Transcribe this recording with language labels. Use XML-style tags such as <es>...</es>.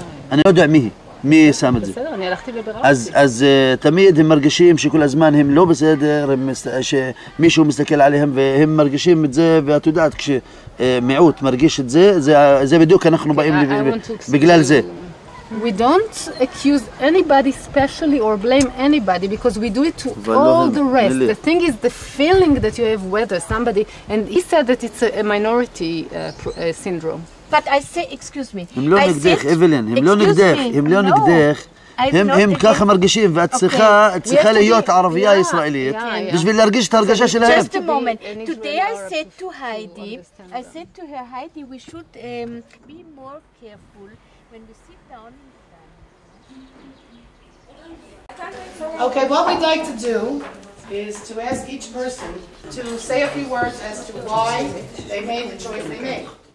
<he>אני לא יודע מי שם את זה. בסדר, אני הלכתי לבירה. אז תמיד הם מרגישים שכל הזמן הם לא בסדר, שמישהו מסתכל עליהם והם מרגישים את זה, ואת יודעת, כש... מיעוט מרגיש את זה, זה בדיוק אנחנו באים בגלל זה.</he> <en>We don't accuse anybody specially or blame anybody because we do it to all the rest. The thing is the feeling that you have whether somebody, and he said that it's a minority syndrome. But I say, excuse me.</en> <he>הם לא נגדך, אבלין, הם לא נגדך, הם לא נגדך. הם ככה מרגישים, ואת צריכה להיות ערבייה ישראלית בשביל להרגיש את ההרגשה שלהם.</he> <en>Just a moment. Today I said to her, Heidi, we should be more careful when we sit down. Okay, what we'd like to do is to ask each person to say a few words as to why they made the choice they made.</en>